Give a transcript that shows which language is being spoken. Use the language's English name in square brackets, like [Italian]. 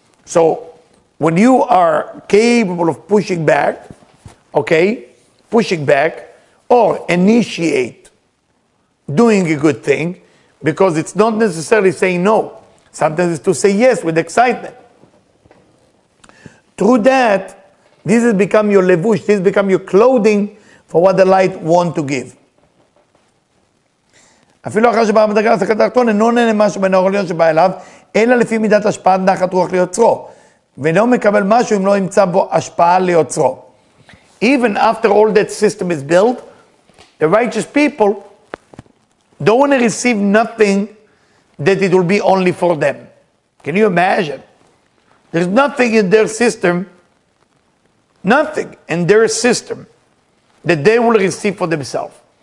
[English] So when you are capable of pushing back, okay, pushing back, or initiate doing a good thing, because it's not necessarily saying no. Sometimes it's to say yes with excitement. Through that, this has become your levush, this has become your clothing for what the light wants to give. [Hebrew] אפילו אחר שבא המדרגה להשגת התחתון, אינו נהנה משהו מן האור העליון שבא אליו, אלא לפי מידת השפעת נחת רוח ליוצרו. ואינו מקבל משהו אם לא ימצא בו השפעה ליוצרו. [English] Even after all that system is built, the righteous people don't want to receive nothing that it will be only for them. Can you imagine? There's nothing in their system, nothing in their system that they will receive for themselves.